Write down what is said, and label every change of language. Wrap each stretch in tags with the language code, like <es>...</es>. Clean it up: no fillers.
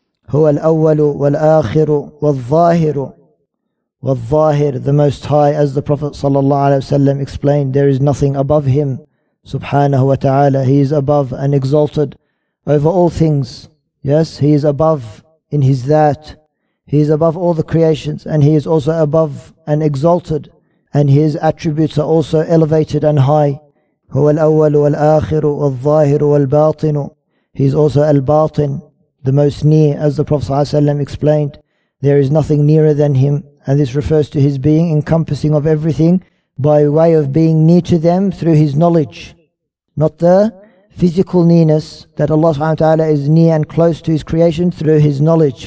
<ar>هو الأول والآخر والظاهر والظاهر</ar> <en>The Most High, as the Prophet sallallahu alayhi wa sallam explained, there is nothing above him subhanahu wa ta'ala. He is above and exalted. Over all things, yes, he is above in his that. He is above all the creations, and he is also above and exalted, and his attributes are also elevated and high.</en> <ar>هو الأول والآخر والظاهر والباطن.</ar> <en>He is also al-Batin, the most near, as the Prophet ﷺ explained. There is nothing nearer than him, and this refers to his being encompassing of everything by way of being near to them through his knowledge. Not the physical nearness, that Allah subhanahu wa ta'ala is near and close to his creation through his knowledge.</en>